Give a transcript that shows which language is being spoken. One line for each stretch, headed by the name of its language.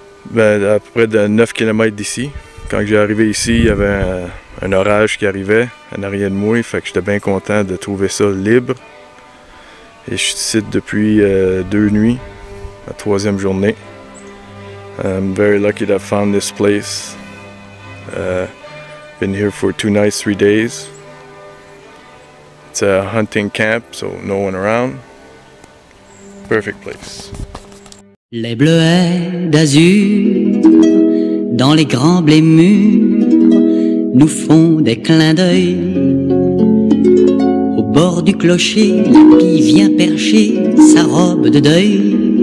French: Ben, à peu près de 9 km d'ici. Quand j'ai arrivé ici, il y avait un orage qui arrivait en arrière de moi, fait que j'étais bien content de trouver ça libre. Et je suis ici depuis deux nuits, la troisième journée.
English: I'm very lucky to have found this place. Been here for two nights, 3 days. It's a hunting camp, so no one around. Perfect place.
French: Les bleuets d'azur dans les grands blés mûrs nous font des clins d'œil. Au bord du clocher, la pie vient percher sa robe de deuil.